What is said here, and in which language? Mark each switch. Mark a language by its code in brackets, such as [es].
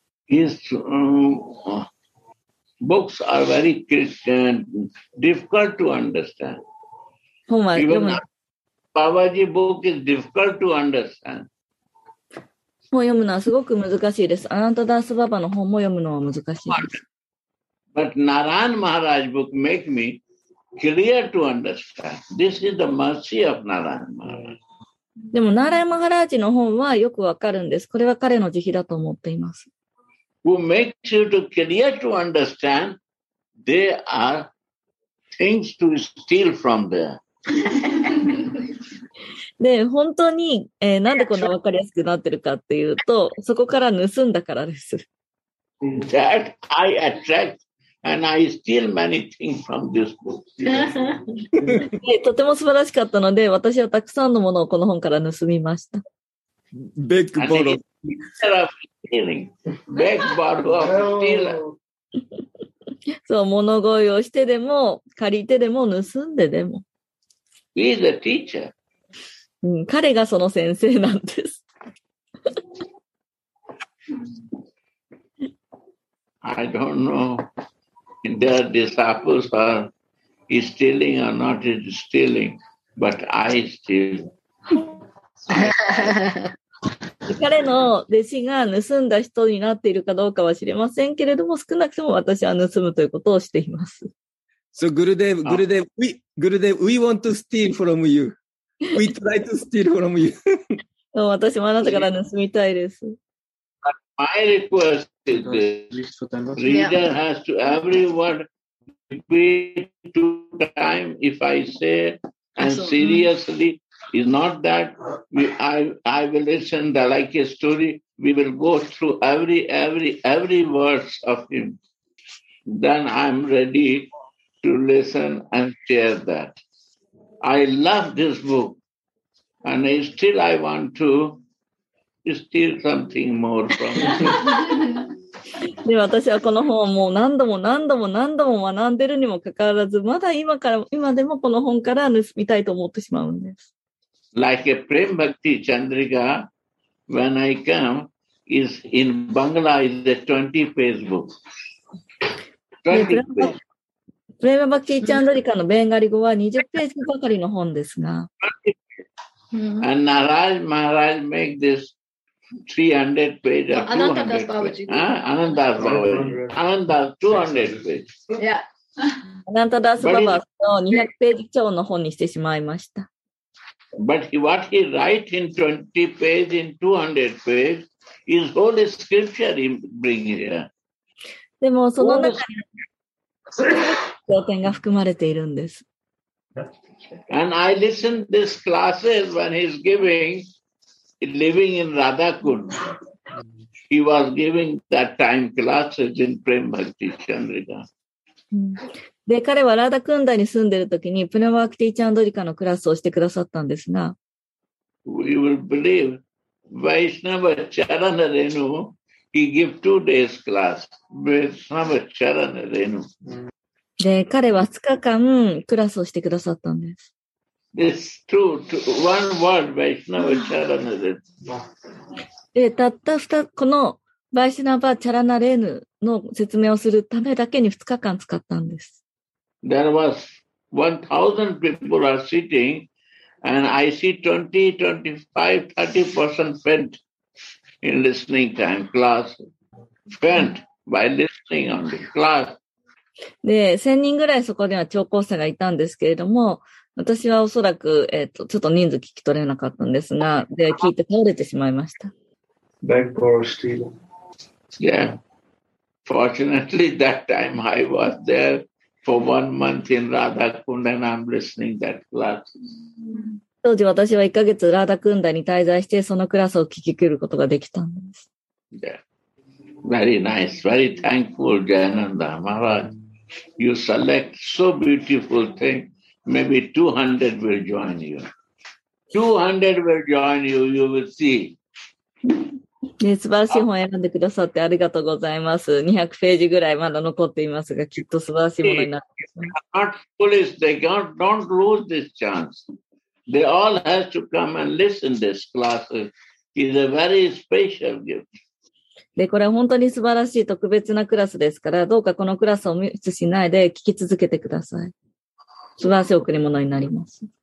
[en] His books are very difficult to understand. Babaji's book is difficult to understand. [ja] 本読むのはすごく難しいです。アナンタダースババの本も読むのは難しいです。 [en] But Narayan Maharaj book make me clear to understand. This is the mercy of Narayan Maharaj. [ja] でもナーライマハラージの本はよくわかるんです。これは彼の慈悲だと思っています。 [en] Who makes you to clear to understand? They are things to steal from there. [ja] で本当に、なんでこんなわかりやすくなってるかっていうと、そこから盗んだからです。 [en] That I attract and I steal many things from this book. [ja] とても素晴らしかったので、私はたくさんのものをこの本から盗みました。 [en] Big bottle. Instead of stealing, beg, borrow, steal. [ja] そう物乞いをしてでも借りてでも盗んででも。 [en] He is a teacher. [ja] 彼がその先生なんです。 [en] I don't know if the disciples are stealing or not stealing, but I steal. [ja] 彼の弟子が盗んだ人になっているかどうかは知れませんけれども、少なくとも私は盗むということをしています。 [en] So, Gurudev, we want to steal from you. We try to steal from you. [ja] 私もあなたから盗みたいです。 [en] My request is this. Reader has to everyone repeat two times if I say and seriously. Is not that I will listen the like a story. We will go through every words of him. Then I'm ready to listen and share that. I love this book, and still I want to steal something more from it. [ja] 私はこの本をもう何度も何度も何度も学んでるにもかかわらず、まだ今でもこの本から盗みたいと思ってしまうんです。 [en] Like a Prem Bhakti Chandrika, when I come, is in Bangla, is a 20-page book. [ja] Prem Bhakti Chandrika のベンガリ語は20ページばかりの本ですが。 [en] And Naraj Maharaj make this 300 page of 200 page. Anandas Babaji. Anandas, 200 page. Yeah. [ja] ナントダースババの200ページ超の本にしてしまいました。 [en] But he, what he writes in 20 pages, in 200 pages, is holy scripture he brings here. [ja] でもその中に教典が含まれているんです。 [en] And I listen to his classes when he's giving, living in Radhakund. He was giving that time classes in Prem Bhakti Chandrika. [ja] で彼はラダクンダに住んでいるときにプネマークティーチャンドリカのクラスをしてくださったんですが。 [en] We will believe Vaishnava Charana Renu, he give 2 days class. Vaishnava Charana Renu. [ja] で彼は2日間クラスをしてくださったんです。 [en] It's true, one word, Vaishnava Charana Renu. [ja] で、たった2、このバイシナバチャラナレーヌの説明をするためだけに2日間使ったんです。 [en] There was 1,000 people are sitting and I see 20, 25, 30% spent in listening time class. Spent by listening on the class. [ja] で、1000人ぐらいそこでは聴講者がいたんですけれども、私はおそらく、ちょっと人数聞き取れなかったんですが、で、聞いて倒れてしまいました。 [en] Back for Steven. Yeah, fortunately that time I was there for 1 month in Radhakund and I'm listening that class. [ja] 当時私は1ヶ月ラダクンダに滞在してそのクラスを聞き来ることができたんです。 [en] Yeah, very nice, very thankful, Jayananda Maharaj. You select so beautiful thing. Maybe 200 will join you. 200 will join you, you will see. [ja] ね、素晴らしい本を選んでくださってありがとうございます。200ページぐらいまだ残っていますが、きっと素晴らしいものになります。 [en] They are not foolish. They don't lose this chance. They all have to come and listen this class. It's a very special gift. [ja] で、これは本当に素晴らしい特別なクラスですから、どうかこのクラスを無視しないで聞き続けてください。素晴らしい贈り物になります。